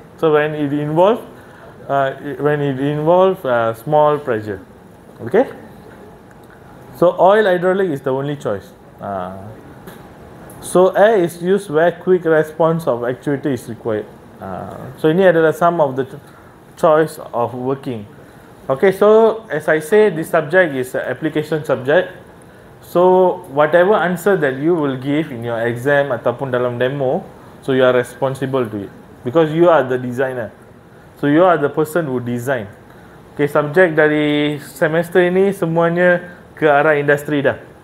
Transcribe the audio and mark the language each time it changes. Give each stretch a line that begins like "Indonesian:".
English: So when it involve small pressure. Okay? So oil hydraulic is the only choice. So air is used where quick response of actuator is required. So
Malay: ini adalah
English: some of the choice of working. Okay, so as I say, this subject is an application subject. So whatever answer that you will give in your exam
Malay: ataupun dalam
English: demo, so you are responsible to it because you are the designer. So you are the person who design.
Malay: Okay, subject dari semester ini semuanya ke arah industri dah.